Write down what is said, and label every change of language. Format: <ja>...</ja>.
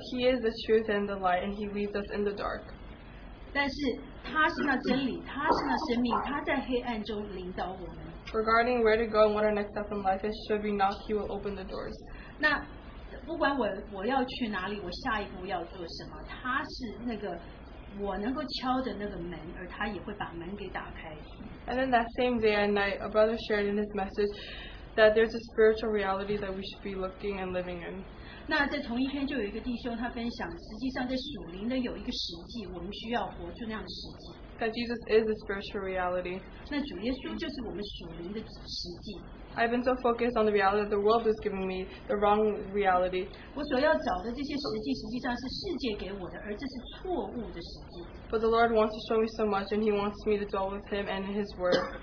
<en>He is the truth and the light, and He leads us in the dark.</en> <zh>但是他是那真理，他是那生命，他在黑暗中领导我们。</zh> <en>Regarding where to go and what our next step in life is, should we knock, He will open the doors.</en> <zh>那不管我要去哪里，我下一步要做什么，他是那个。</zh> <en>And then that same day and night, a brother shared in his message that there's a spiritual reality that we should be looking and living in.</en> <zh>那在同一天就有一个弟兄他分享，实际上在属灵的有一个实际，我们需要活出那样的实际。</zh> <en>That Jesus is a spiritual reality.</en> <zh>那主耶稣就是我们属灵的实际。</zh> <en>I've been so focused on the reality that the world is giving me the wrong reality. But the Lord wants to show me so much, and He wants me to dwell with Him and His Word.</en>